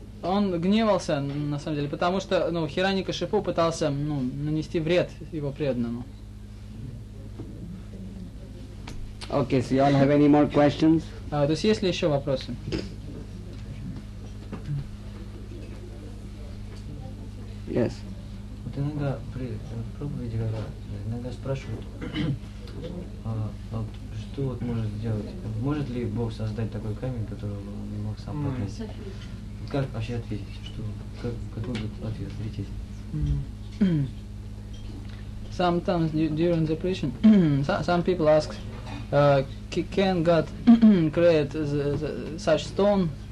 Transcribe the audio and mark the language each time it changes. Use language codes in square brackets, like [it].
[ru] Он гневался, на самом деле, потому что, ну, Хираньякашипу пытался, ну, нанести вред его преданному. [en] Okay, so you all have any more questions? [ru] То есть есть ли еще вопросы? [en] Yes. [ru] Вот иногда при проповеди, когда иногда спрашивают, вот что вот может сделать, может ли Бог создать такой камень, который бы он не мог сам поднять? [en] Sometimes during the preaching, some people ask, can God create such stone?